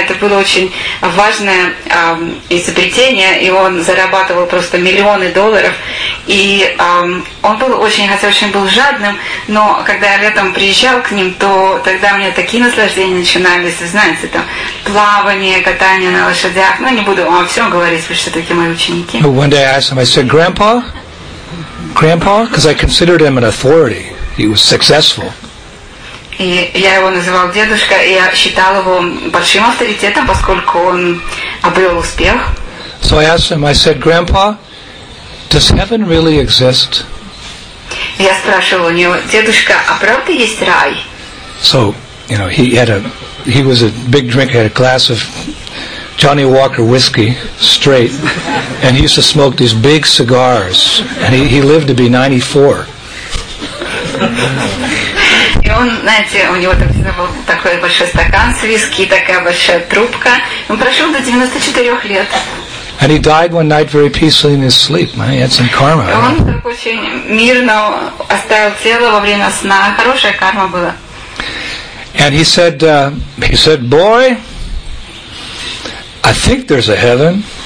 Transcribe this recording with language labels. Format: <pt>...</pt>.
<ru>Это было очень важное изобретение, и он зарабатывал просто миллионы долларов. И он был очень жадным, но когда я летом приезжал к ним, то тогда у меня такие наслаждения начинались, знаете, там плавание, катание на лошадях. Ну, не буду вам о всем говорить, вы же такие мои ученики.</ru> <en>I said, Grandpa, because I considered him an authority. He was successful.</en> <ru>И я его называл дедушка, и я считал его большим авторитетом, поскольку он обрел успех.</ru> <en>So I asked him, I said, Grandpa, does heaven really exist?</en> <ru>Я спрашивал у него, дедушка, а правда есть рай?</ru> <en>So, you know, he was a big drinker, had a glass of Johnny Walker whiskey, straight, and he used to smoke these big cigars, and he lived to be 94.</en> <ru>И он, знаете, у него там всегда был такой большой стакан с виски, такая большая трубка. Он прожил до 94 лет.</ru> <en>And he died one night very peacefully in his sleep. Man, he had some karma.</en> <ru>Он так очень мирно оставил тело во время сна. Хорошая карма была.</ru> <en>And he said, boy, I think there's a heaven.</en>